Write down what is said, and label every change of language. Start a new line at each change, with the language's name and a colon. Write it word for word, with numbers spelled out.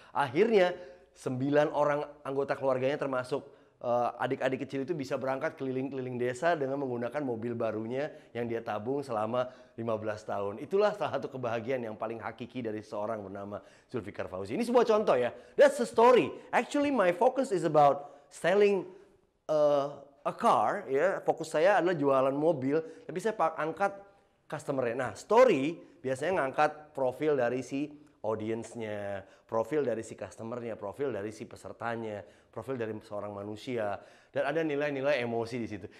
Indonesian: Akhirnya sembilan orang anggota keluarganya termasuk uh, adik-adik kecil itu bisa berangkat keliling-keliling desa dengan menggunakan mobil barunya yang dia tabung selama lima belas tahun. Itulah salah satu kebahagiaan yang paling hakiki dari seorang bernama Zulfikar Fauzi. Ini sebuah contoh ya.
English: That's the story. Actually my focus is about selling uh, a car.
Indonesian: Ya, fokus saya adalah jualan mobil. Tapi saya angkat customer-nya. Nah, story biasanya ngangkat profil dari si audience-nya, profil dari si customer-nya, profil dari si pesertanya, profil dari seorang manusia, dan ada nilai-nilai emosi di situ.